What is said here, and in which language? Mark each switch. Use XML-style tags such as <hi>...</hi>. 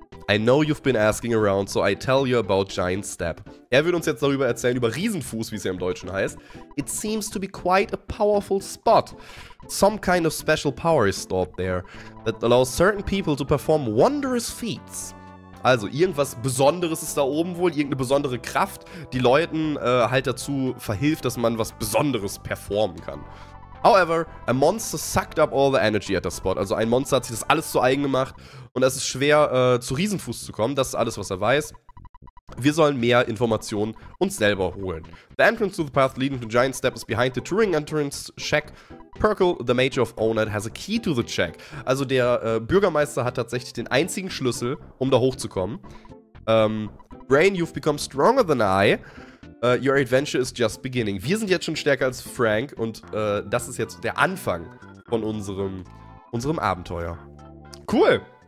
<en>I know you've been asking around, so I tell you about Giant Step.</en> <de>Er wird uns jetzt darüber erzählen, über Riesenfuß, wie es ja im Deutschen heißt.</de> <en>It seems to be quite a powerful spot. Some kind of special power is stored there that allows certain people to perform wondrous feats.</en> <de>Also, irgendwas Besonderes ist da oben wohl, irgendeine besondere Kraft, die Leuten halt dazu verhilft, dass man was Besonderes performen kann.</de> <en>However, a monster sucked up all the energy at the spot.</en> <de>Also ein Monster hat sich das alles zu eigen gemacht und es ist schwer, zu Riesenfuß zu kommen. Das ist alles, was er weiß. Wir sollen mehr Informationen uns selber holen.</de> <en>The entrance to the path leading to Giant Step is behind the Turing entrance shack. Perkle, the Mage of Onet, has a key to the shack.</en> <de>Also der Bürgermeister hat tatsächlich den einzigen Schlüssel, um da hochzukommen.</de> <en>Brain, you've become stronger than I. Your adventure is just beginning.</en> <de>Wir sind jetzt schon stärker als Frank und das ist jetzt der Anfang von unserem Abenteuer. Cool!</de>